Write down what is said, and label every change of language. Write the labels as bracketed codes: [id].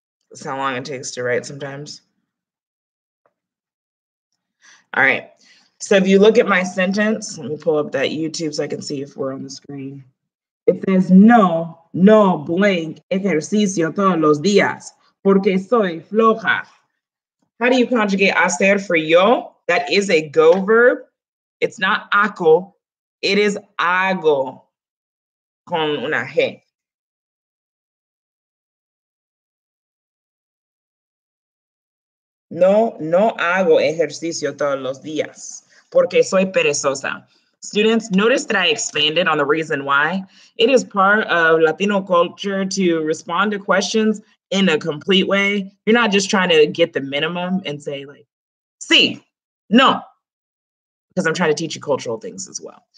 [en] That's how long it takes to write sometimes. All right. So if you look at my sentence, let me pull up that YouTube so I can see if we're on the screen. It says, [es] no, no blank ejercicio todos los días porque soy floja. [en] How do you conjugate hacer for yo? That is a go verb. It's not hago. It is hago [es] con una G. No, no hago ejercicio todos los días porque soy perezosa. [en] Students, notice that I expanded on the reason why. It is part of Latino culture to respond to questions in a complete way. You're not just trying to get the minimum and say like, sí, no, because I'm trying to teach you cultural things as well.